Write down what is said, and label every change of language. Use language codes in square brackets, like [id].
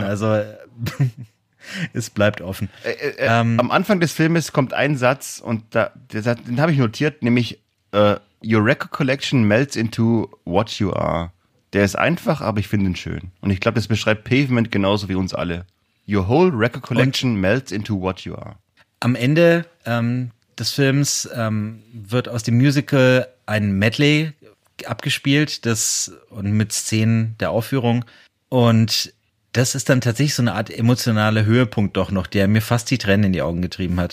[de] Also es bleibt offen. Am Anfang des Filmes kommt ein Satz und den habe ich notiert, nämlich [en] Your record collection melts into what you are. [de] Der ist einfach, aber ich finde ihn schön. Und ich glaube, das beschreibt Pavement genauso wie uns alle. [en] Your whole record collection melts into what you are. [de] Am Ende des Films wird aus dem Musical ein Medley abgespielt, das und mit Szenen der Aufführung. Und das ist dann tatsächlich so eine Art emotionaler Höhepunkt doch noch, der mir fast die Tränen in die Augen getrieben hat.